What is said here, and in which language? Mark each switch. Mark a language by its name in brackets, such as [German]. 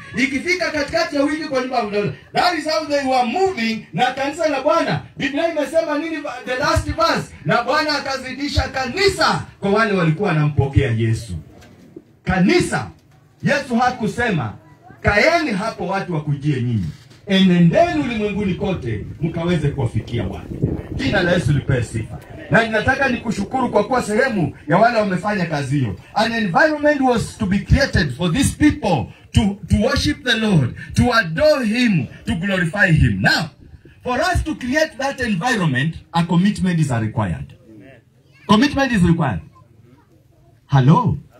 [Swahili] Ikifika katikati ya wiki kwa nyumba ya ndugu. [English] That is how they were moving [Swahili] na kanisa la Bwana. Biblia imesema nini [English] the last verse? [Swahili] Na Bwana akazidisha kanisa kwa wale walikuwa wanampokea Yesu. Kanisa. Yesu hakusema kaeni hapo watu wakujie nyinyi. Enendeni ulimwenguni kote mkaweze kuwafikia watu. Jina la Yesu lipewe sifa. Na ninataka ni kushukuru kwa kuwa sehemu ya wale wamefanya kazi hiyo. [English] An environment was to be created for these people to worship the Lord, to adore Him, to glorify Him. Now, for us to create that environment, a commitment is required. Amen. Commitment is required. Hello?